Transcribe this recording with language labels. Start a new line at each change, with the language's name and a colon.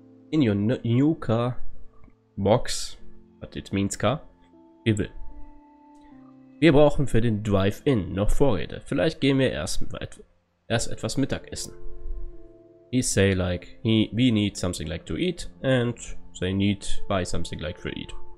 English: In your new car box, but it means car, we will.
German: Wir brauchen für den Drive-In noch Vorräte. Vielleicht gehen wir erst etwas Mittagessen.
English: He say like, we need something like to eat and they need buy something like to eat.